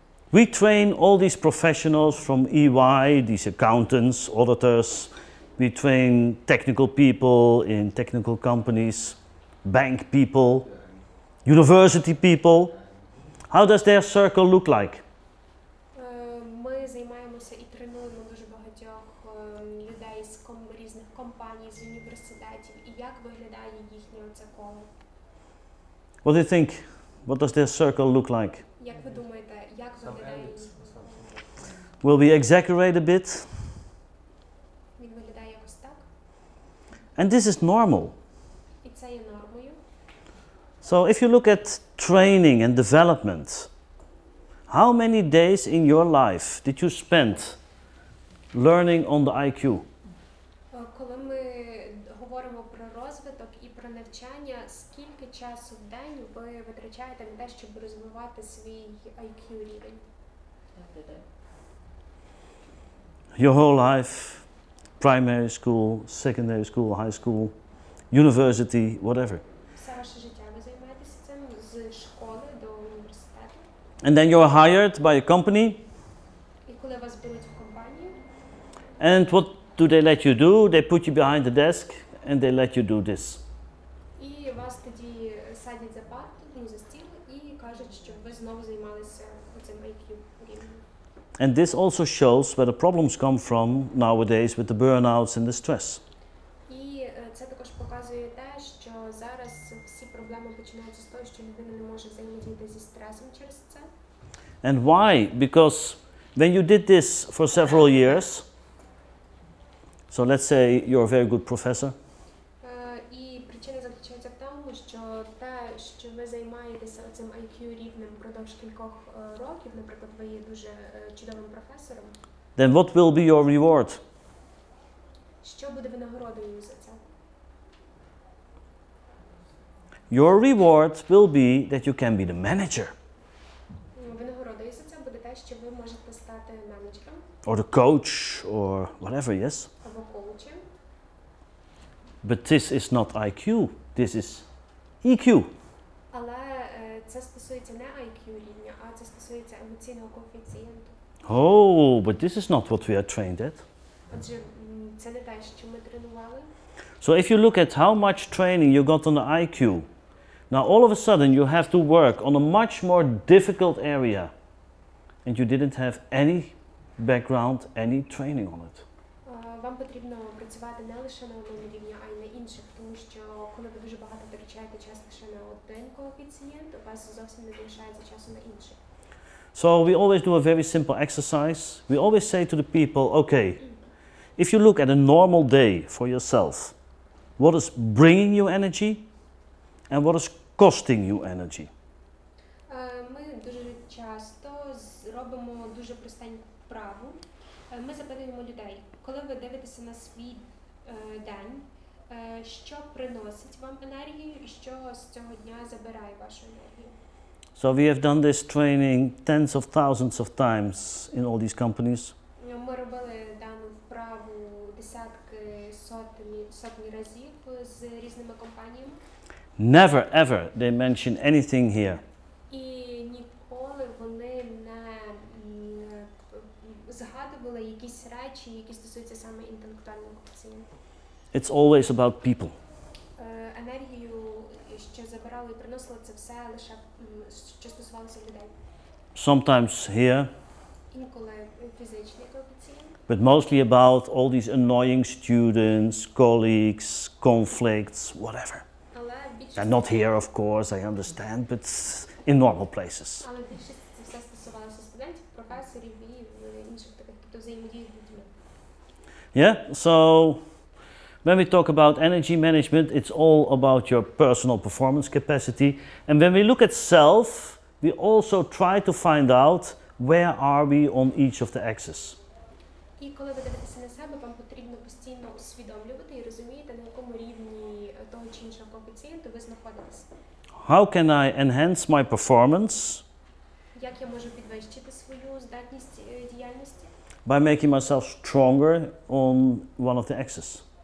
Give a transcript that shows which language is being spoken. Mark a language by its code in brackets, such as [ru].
[en] We train all these professionals from EY, these accountants, auditors. We train technical people in technical companies, bank people, university people. How does their circle look like? [uk] Ми займаємося і тренуємо дуже багатьох людей з різних компаній, з університетів. І як виглядає їхнє оце коло? [en] What do you think? What does their circle look like? [uk] Як ви думаєте, як виглядає? [en] Will we exaggerate a bit? [uk] Він виглядає якось так? [en] And this is normal. [uk] І це є нормою. [en] So if you look at training and development. How many days in your life did you spend learning on the IQ? [uk] Коли ми говоримо про розвиток і про навчання, скільки часу в день ви витрачаєте на те, щоб розвивати свій IQ рівень? [en] Your whole life, primary school, secondary school, high school, university, whatever. [uk] все ваше життя ви займаєтеся цим з школи до університету. [en] And then you're hired by a company. [uk] І коли вас беруть в компанію? [en] And what do they let you do? They put you behind the desk and they let you do this. [uk] І вас тоді садять за парту, ну, за стіл і кажуть, щоб ви знову займалися цим IQ. [en] And this also shows where the problems come from nowadays with the burnouts and the stress. [uk] І це також показує те, що зараз всі проблеми починаються з того, що людина не може взаємодіяти зі стресом через це. [en] And why? Because when you did this for several years, so let's say you're a very good professor. [uk] І причина заключається в тому, що те, що ви займаєтеся цим IQ рівнем впродовж кількох років, наприклад, ви є дуже чудовим професором. [en] Then what will be your reward? [uk] Що буде винагородою за це? [en] Your reward will be that you can be the manager. [uk] Винагородою за це буде те, що ви можете стати менеджером. [en] Or the coach or whatever, yes. But this is not IQ, this is EQ. [uk] Але це стосується не IQ рівня, а це стосується емоційного коефіцієнту. [en] Oh, but this is not what we are trained at. [uk] Отже, це не те, що ми тренували. [en] So if you look at how much training you got on the IQ, now all of a sudden you have to work on a much more difficult area and you didn't have any background, any training on it. [uk] Вам потрібно працювати не лише на одному рівні, а й на інших, тому що коли ви дуже багато втрачаєте час лише на один коефіцієнт, у вас зовсім не залишається часу на інший. [en] So we always do a very simple exercise. We always say to the people, okay, if you look at a normal day for yourself, what is bringing you energy and what is costing you energy? [uk] Ми дуже часто робимо дуже простеньку вправу. Ми запитуємо людей, коли ви дивитеся на свій день, що приносить вам енергію і що з цього дня забирає вашу енергію? [en] So we have done this training tens of thousands of times in all these companies. [uk] Ми робили дану вправу десятки, сотні разів з різними компаніями. [en] Never ever they mention anything here. [uk] І ніколи вони не згадували якісь речі, які стосуються саме інтелектуального коефіцієнту. [en] It's always about people. [uk] Енергію, що забирали і приносили, це все лише що стосувалося людей. [en] Sometimes here. [uk] Інколи фізичний коефіцієнт. [en] But mostly about all these annoying students, colleagues, conflicts, whatever. [uk] Але більшість. [en] Not here, of course, I understand, but in normal places. [uk] Але більшість це все стосувалося студентів, професорів і інших таких, хто взаємодіє з людьми. [en] Yeah, so when we talk about energy management, it's all about your personal performance capacity. And when we look at self, we also try to find out where are we on each of the axes. [uk] І коли ви дивитеся на себе, вам потрібно постійно усвідомлювати і розуміти, на якому рівні того чи іншого коефіцієнту ви знаходитесь. [en] How can I enhance my performance? [uk] Як я можу підвищити свою здатність діяльності? [en] By making myself stronger on one of the axes.